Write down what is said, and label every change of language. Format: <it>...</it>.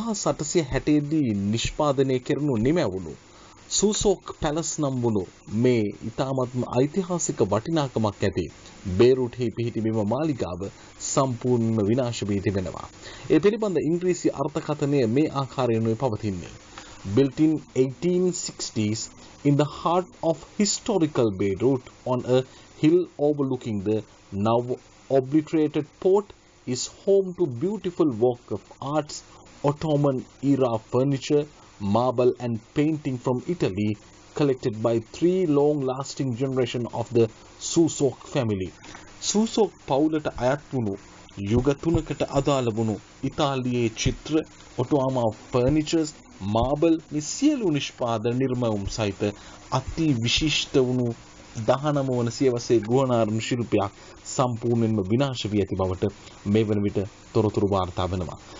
<si>1860 නිෂ්පාදනය කෙරුණු නිමැවුණු සූසෝක් පැලස් නම් වුණු මේ ඉතාමත්ම ඓතිහාසික වටිනාකමක් ඇති බේරුටි පිහිටිමේ මාලිගාව සම්පූර්ණ විනාශ වී තිබෙනවා. ඒ පිළිබඳ ඉංග්‍රීසි අර්ථකථනය මේ ආකාරයෙන් පවතින්නේ.</si> <en>Built in 1860s in the heart of historical Beirut on a hill overlooking the now obliterated port is home to beautiful work of arts, Ottoman era furniture, marble and painting from Italy collected by three long lasting generation of the Suzok family.</en> <si>Suzok පවුලට අයත් වුණු යුග තුනකට අදාළ වුණු ඉතාලියේ චිත්‍ර, ඔටෝමා furnitures, marble මේ සියලු නිෂ්පාදන නිර්මාණ සහිත අති විශිෂ්ට වුණු 19 වන සියවසේ ගුණාරම් ශිල්පයක් සම්පූර්ණයෙන්ම විනාශ වී ඇති බවට මේ වන විට තොරතුරු වාර්තා වෙනවා.</si>